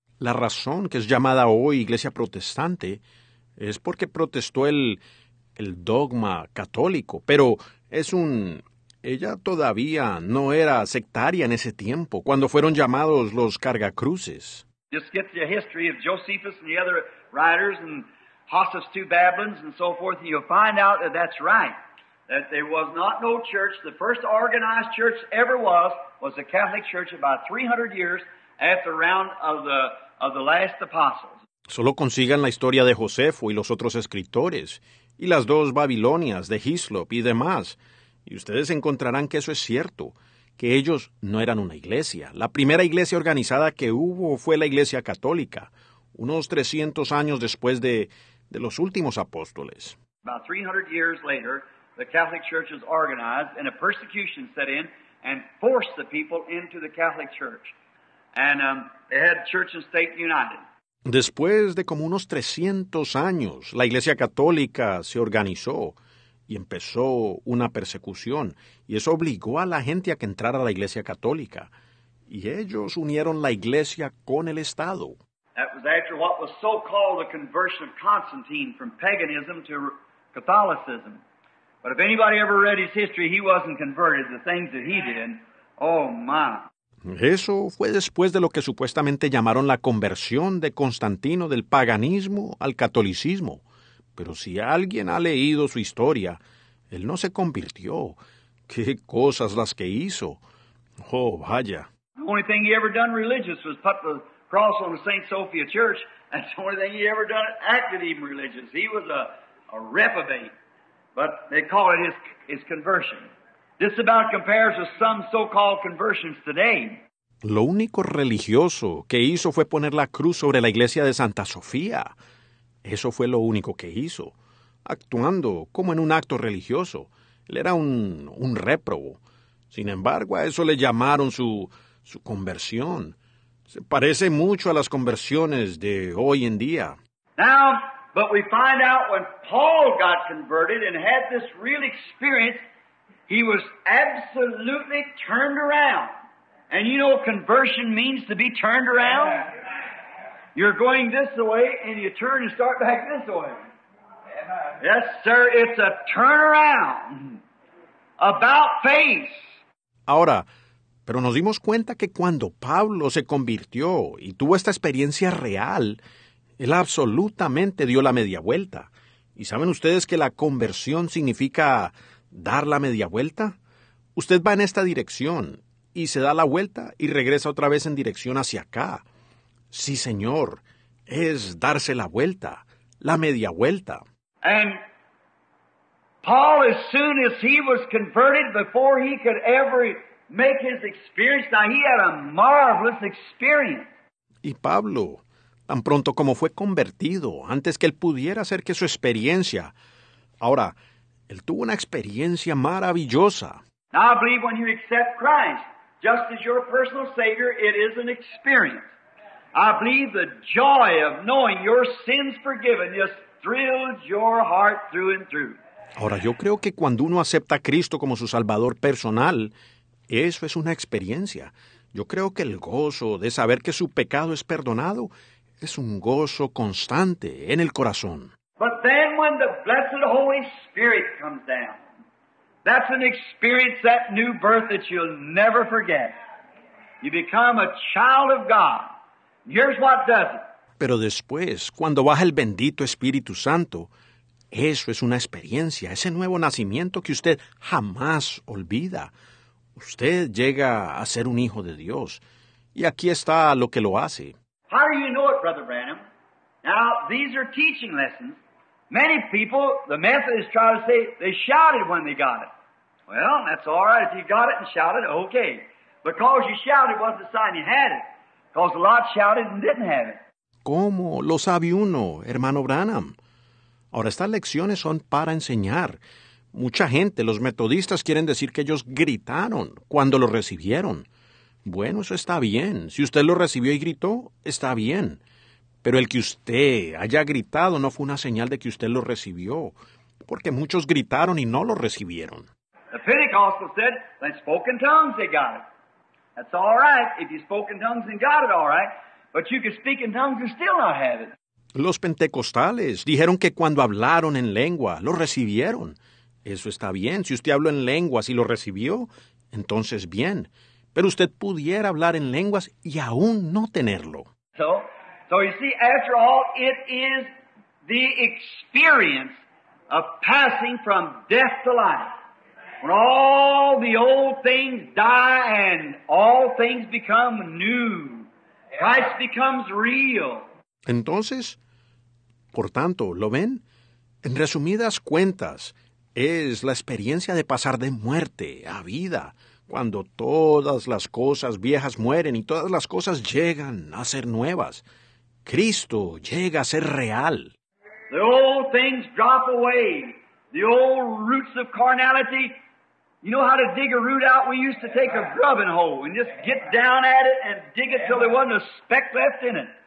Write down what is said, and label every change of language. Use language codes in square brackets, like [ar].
[es] La razón que es llamada hoy Iglesia Protestante es porque protestó el dogma católico. Pero ella todavía no era sectaria en ese tiempo, cuando fueron llamados los cargacruces. [en] Just get the history of Josephus and the other writers and Hostus to Babylons and so forth, and you'll find out that that's right. That there was not no church. The first organized church ever was the Catholic Church about 300 years after the round of the last apostles. [es] Solo consigan la historia de Josefo y los otros escritores, y las dos Babilonias de Hislop y demás, y ustedes encontrarán que eso es cierto, que ellos no eran una iglesia. La primera iglesia organizada que hubo fue la Iglesia Católica, unos 300 años después de los últimos apóstoles. [en] About 300 years later, the Catholic Church was organized and a persecution set in and forced the people into the Catholic Church. And they had church and state united. [es] Después de como unos 300 años, la Iglesia Católica se organizó y empezó una persecución. Y eso obligó a la gente a que entrara a la Iglesia Católica. Y ellos unieron la Iglesia con el Estado. [en] That was after what was so-called the conversion of Constantine from paganism to Catholicism. But if anybody ever read his history, he wasn't converted. The things that he did, Oh, my. [es] Eso fue después de lo que supuestamente llamaron la conversión de Constantino del paganismo al catolicismo. Pero si alguien ha leído su historia, él no se convirtió. ¡Qué cosas las que hizo! ¡Oh, vaya! [en] The only thing he ever done religious was put the cross on the St. Sophia Church. That's the only thing he ever done acted even religious. He was a reprobate. But they call it his conversion. This about compares with some so-called conversions today. [es] Lo único religioso que hizo fue poner la cruz sobre la iglesia de Santa Sofía. Eso fue lo único que hizo, actuando como en un acto religioso. Él era un réprobo. Sin embargo, a eso le llamaron su conversión. Se parece mucho a las conversiones de hoy en día. [en] Now, but we find out when Paul got converted and had this real experience, he was absolutely turned around. And you know conversion means to be turned around? You're going this way and you turn and start back this way. Yes, sir, it's a turnaround. About face. [es] Ahora, pero nos dimos cuenta que cuando Pablo se convirtió y tuvo esta experiencia real, él absolutamente dio la media vuelta. Y saben ustedes que la conversión significa dar la media vuelta. Usted va en esta dirección y se da la vuelta y regresa otra vez en dirección hacia acá. Sí, señor, es darse la vuelta, la media vuelta. [en] And Paul, as soon as he was converted, before he could ever make his experience, now he had a marvelous experience. [es] Y Pablo, tan pronto como fue convertido, antes que él pudiera hacer que su experiencia, ahora, él tuvo una experiencia maravillosa. [en] Now I believe when you accept Christ, just as your personal Savior, it is an experience. I believe the joy of knowing your sins forgiven just thrills your heart through and through. [es] Ahora, yo creo que cuando uno acepta a Cristo como su Salvador personal, eso es una experiencia. Yo creo que el gozo de saber que su pecado es perdonado es un gozo constante en el corazón. [en] But then when the blessed Holy Spirit comes down, that's an experience, that new birth that you'll never forget. You become a child of God. Here's what does it. [es] Pero después, cuando baja el bendito Espíritu Santo, eso es una experiencia, ese nuevo nacimiento que usted jamás olvida. Usted llega a ser un hijo de Dios. Y aquí está lo que lo hace. [en] How do you know it, Brother Branham? Now, these are teaching lessons. Many people, the Methodists try to say, they shouted when they got it. Well, that's all right. If you got it and shouted, okay. Because you shouted wasn't a sign you had it. Because a lot shouted and didn't have it. [es] ¿Cómo lo sabe uno, hermano Branham? Ahora, estas lecciones son para enseñar. Mucha gente, los metodistas, quieren decir que ellos gritaron cuando lo recibieron. Bueno, eso está bien. Si usted lo recibió y gritó, está bien. Pero el que usted haya gritado no fue una señal de que usted lo recibió, porque muchos gritaron y no lo recibieron. [en] The Pentecostal said, they spoke in tongues, they got it. That's all right. If you spoke in tongues and got it, all right. But you can speak in tongues and still not have it. [es] Los pentecostales dijeron que cuando hablaron en lengua, lo recibieron. Eso está bien. Si usted habló en lenguas y lo recibió, entonces bien. Pero usted pudiera hablar en lenguas y aún no tenerlo. [en] So you see, after all, it is the experience of passing from death to life. When all the old things die and all things become new, Christ becomes real. [es] Entonces, por tanto, ¿lo ven? En resumidas cuentas, es la experiencia de pasar de muerte a vida, cuando todas las cosas viejas mueren y todas las cosas llegan a ser nuevas. Cristo llega a ser real. [en] The old things drop away. The old roots of carnality. You know how to dig a root out? We used to take a grubbing hole and just get down at it and dig it till there wasn't a speck left in it.